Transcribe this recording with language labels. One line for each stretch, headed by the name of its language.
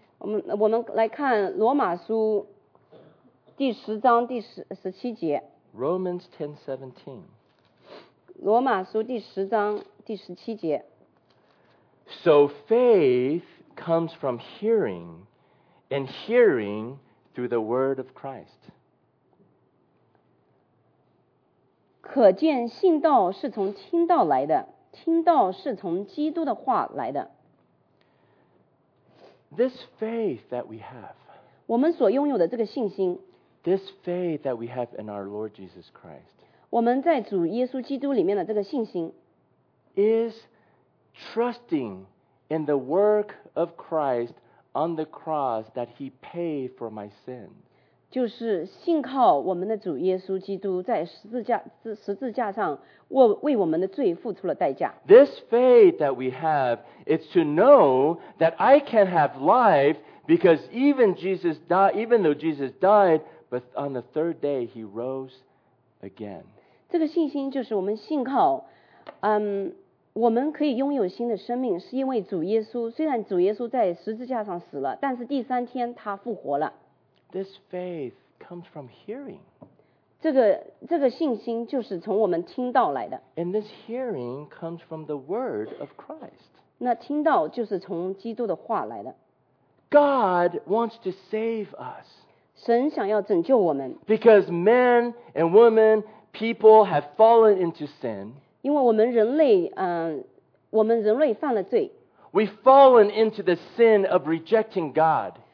Chinese: 我们来看罗马书第十章第十七节。
English: Romans 10:17。
Chinese: 罗马书第十章第十七节。
English: So faith comes from hearing, and hearing through the word of Christ.
Chinese: 可见信道是从听道来的，听道是从基督的话来的。
English: This faith that we have，
Chinese: 我们所拥有的这个信心。
English: This faith that we have in our Lord Jesus Christ，
Chinese: 我们在主耶稣基督里面的这个信心。
English: Is trusting in the work of Christ on the cross that He paid for my sin。
Chinese: 就是信靠我们的主耶稣基督在十字架上为我们的罪付出了代价。
English: This faith that we have is to know that I can have life because even though Jesus died, but on the third day he rose again.
Chinese: 这个信心就是我们信靠，我们可以拥有新的生命，是因为主耶稣，虽然主耶稣在十字架上死了，但是第三天他复活了。
English: This faith comes from hearing.
Chinese: 这个信心就是从我们听到来的。
English: And this hearing comes from the word of Christ.
Chinese: 那听到就是从基督的话来的。
English: God wants to save us.
Chinese: 神想要拯救我们。
English: Because men and women, people have fallen into sin.
Chinese: 因为我们人类，我们人类犯了罪。
English: We've fallen into the sin of rejecting God.